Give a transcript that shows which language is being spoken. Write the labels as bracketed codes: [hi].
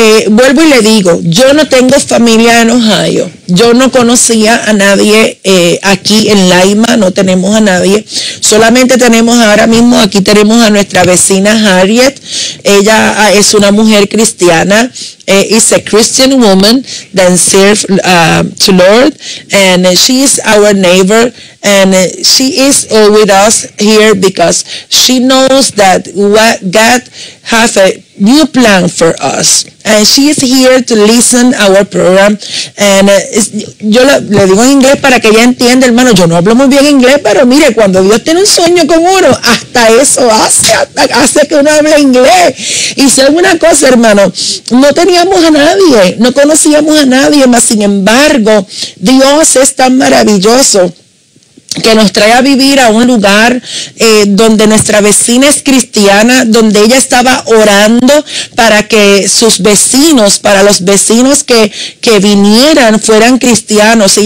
[es] Vuelvo y le digo, yo no tengo familia en Ohio. Yo no conocía a nadie aquí en Lima, no tenemos a nadie. Solamente tenemos ahora mismo, aquí tenemos a nuestra vecina Harriet. Ella es una mujer cristiana. [en] Is a Christian woman that serves to Lord, and she is our neighbor, and she is with us here because she knows that what God has new plan for us. And she is here to listen our program. [es] And yo le digo en inglés para que ella entienda, hermano. Yo no hablo muy bien inglés, pero mire, cuando Dios tiene un sueño con uno, hasta eso hace que uno hable inglés. Y sé una cosa, hermano, no teníamos a nadie, no conocíamos a nadie, mas sin embargo, Dios es tan maravilloso que nos trae a vivir a un lugar donde nuestra vecina es cristiana, donde ella estaba orando para que sus vecinos, para los vecinos que vinieran, fueran cristianos.